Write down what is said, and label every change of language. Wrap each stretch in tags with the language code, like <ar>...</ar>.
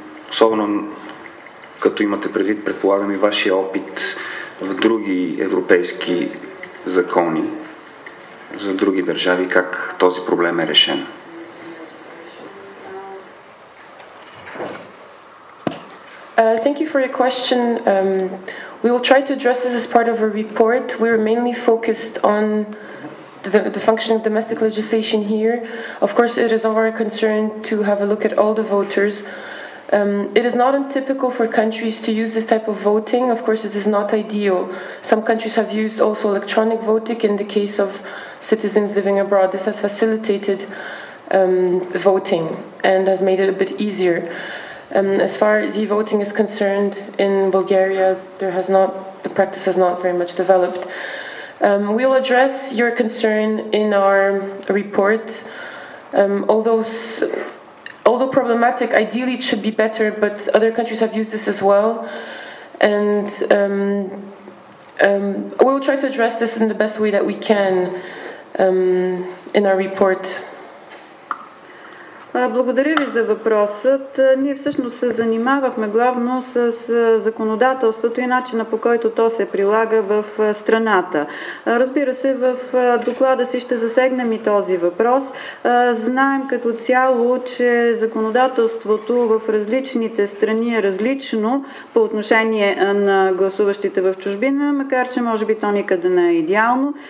<bg>Особено като имате предвид, предполагам и вашия опит в други европейски закони за други държави, как този проблем е решен.</bg> <en>Thank you for your question. We will try to address this as part of a report. We were mainly focused on the function of domestic legislation here. Of course, it is our concern to have a look at all the voters. It is not untypical for countries to use this type of voting. Of course, it is not ideal. Some countries have used also electronic voting in the case of citizens living abroad. This has facilitated voting and has made it a bit easier. As far as e-voting is concerned, in Bulgaria, the practice has not very much developed. We'll address your concern in our report. Although problematic, ideally it should be better, but other countries have used this as well. And we will try to address this in the best way that we can in our report.</en> <bg>Благодаря ви за въпросът. Ние всъщност се занимавахме главно с законодателството и начина по който то се прилага в страната. Разбира се, в доклада си ще засегнем и този въпрос. Знаем като цяло, че законодателството в различните страни е различно по отношение на гласуващите в чужбина, макар че може би то никъде не е идеално.</bg>